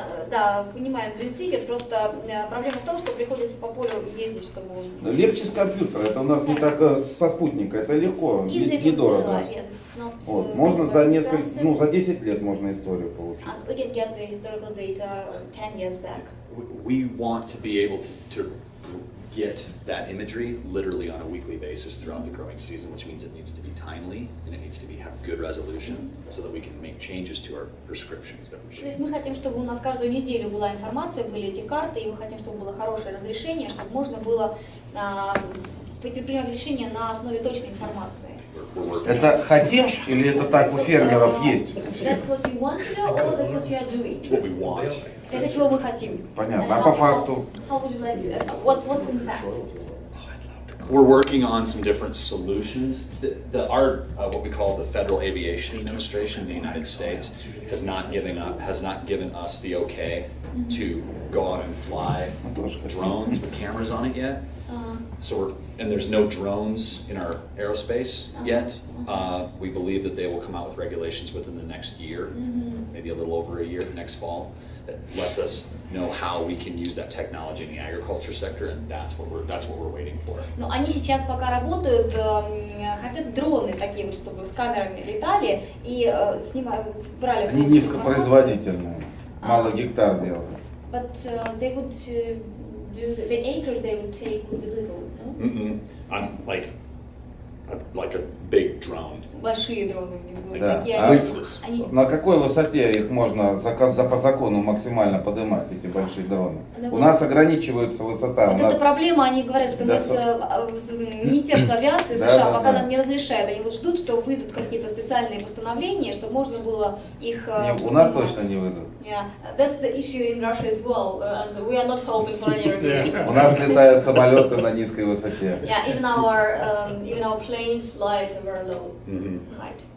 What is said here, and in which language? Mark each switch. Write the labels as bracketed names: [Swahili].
[Russian] Да, понимаем, Green Seeker, просто проблема в том, что приходится по полю ездить, чтобы... Но легче с компьютера, это у нас не так со спутника, это легко, недорого. [English] Easy to realize, it's not... [Russian] Вот. Можно за несколько, ну, за 10 лет можно историю получить. [English] And we can get the historical data 10 years back. We want to be able to get that imagery literally on a weekly basis throughout the growing season, which means it needs to be timely and it needs to be have good resolution so that we can make changes to our prescriptions that we should. [Russian] Мы хотим, чтобы у нас каждую неделю была информация, были эти карты, и мы хотим, чтобы было хорошее разрешение, чтобы можно было принимать решение на основе точной информации. Это хотим или это так у фермеров есть? [English] That's what you want to do or that's what you are doing? What we want. [Russian] Это чего мы хотим. Понятно. А по факту? [English] How would you like to? What's in fact? We're working on some different solutions. Our what we call the Federal Aviation Administration in the United States has not given us the okay to go out and fly drones with cameras on it yet. So there's no drones in our aerospace yet. We believe that they will come out with regulations within the next year, maybe a little over a year, next fall, that lets us know how we can use that technology in the agriculture sector, and that's what we're waiting for. [Russian] Но они сейчас пока работают, хотят дроны такие вот, чтобы с камерами летали и снимали, брали. Они низкопроизводительные, мало гектар делают. [English] But they would do the acres they would take would be little. Mm-mm. I'm like a big drone. [Russian] Большие дроны у них будут. Да. На какой высоте их можно по закону максимально поднимать, эти большие дроны? У нас ограничивается высота. Вот это проблема, они говорят, что Министерство авиации США пока нам не разрешает. Они вот ждут, что выйдут какие-то специальные постановления, чтобы можно было их... У нас точно не выйдут. [English] Yeah, that's the issue in Russia as well, and we are not hoping for any regulations. [Russian] У нас летают самолеты на низкой высоте. [English] Yeah, even our planes fly at a very low height.